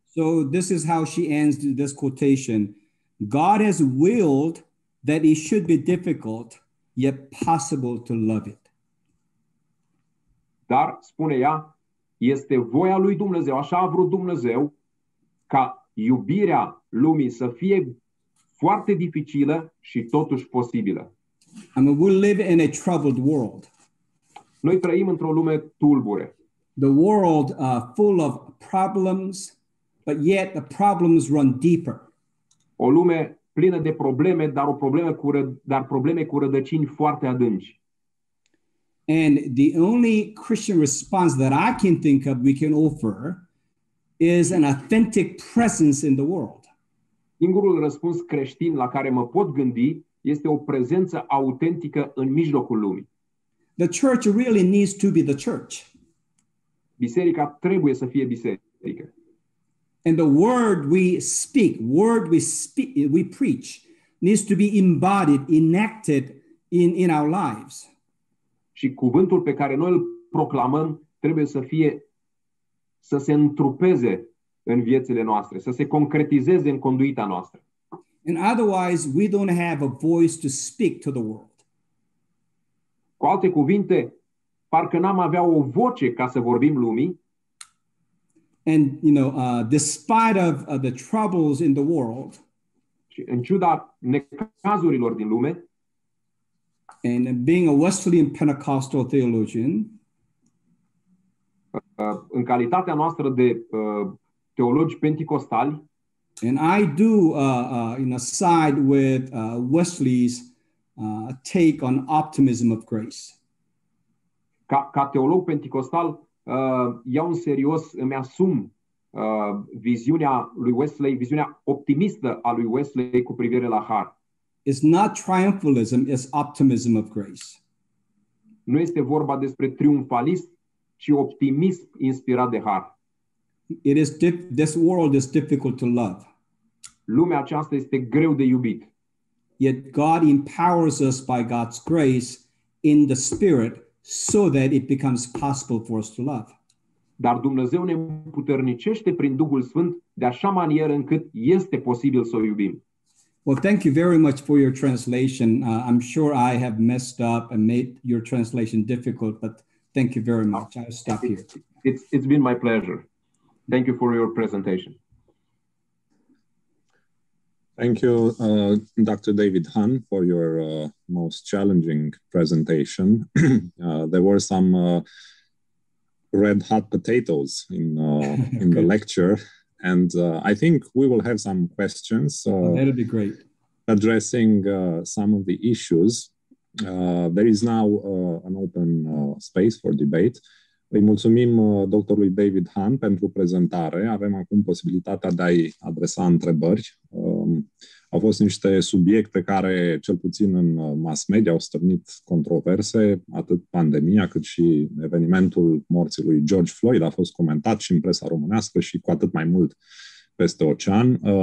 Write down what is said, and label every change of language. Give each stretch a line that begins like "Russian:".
English: So this is how she ends this quotation. God has willed that it should be difficult, yet possible to love it.
Romanian: Dar, spune ea, este voia lui Dumnezeu, așa a vrut Dumnezeu, ca iubirea lumii să fie foarte dificilă și totuși posibilă.
English: I mean, we live in a troubled world.
Romanian: Noi trăim într-o lume tulbure.
English: The world full of problems, but yet the problems run deeper.
Romanian: O lume plină de probleme, dar probleme cu rădăcini foarte adânci.
English: And the only Christian response that I can think of we can offer is an authentic presence in the world.
Romanian: Singurul răspuns creștin la care mă pot gândi este o prezență autentică în mijlocul lumii.
English: The church really needs to be the church.
Romanian: Biserica trebuie să fie biserică.
English: And the word we preach needs to be embodied, enacted in our lives.
Romanian: Și cuvântul pe care noi îl proclamăm trebuie să se întrupeze în viețile noastre, să se concretizeze în conduita noastră.
English: And otherwise, we don't have a voice to speak to the world.
Romanian: Cu alte cuvinte, parcă n-am avea o voce ca să vorbim lumii.
English: And you know, despite of the troubles in the world,
Romanian: și în ciuda necazurilor din lume,
English: and being a Wesleyan Pentecostal theologian,
Romanian: în calitatea noastră de teologi penticostali,
English: and I do in a side with Wesley's take on optimism of grace.
Romanian: Ca teolog penticostal, iau în serios, îmi asum viziunea lui Wesley, viziunea optimistă a lui Wesley cu privire la har.
English: It's not triumphalism, it's optimism of grace.
Romanian: Nu este vorba despre triumfalism, ci optimism inspirat de har.
English: It is this world is difficult to love.
Romanian: Lumea aceasta este greu de iubit.
English: Yet God empowers us by God's grace in the Spirit so that it becomes possible for us to love.
Romanian: Dar Dumnezeu ne împuternicește prin Duhul Sfânt de așa manieră încât este posibil să o iubim.
English: Well, thank you very much for your translation. I'm sure I have messed up and made your translation difficult, but thank you very much. I'll stop here. It's been my pleasure. Thank you for your presentation. Thank you, Dr. David Han, for your most challenging presentation. There were some red hot potatoes in the lecture. And I think we will have some questions. That'll be great. Addressing some of the issues. There is now an open space for debate.
Romanian: Îi mulțumim doctorului David Han pentru prezentare. Avem acum posibilitatea de a-i adresa întrebări. Au fost niște subiecte care, cel puțin în mass media, au stârnit controverse, atât pandemia, cât și evenimentul morții lui George Floyd a fost comentat și în presa românească și cu atât mai mult peste ocean.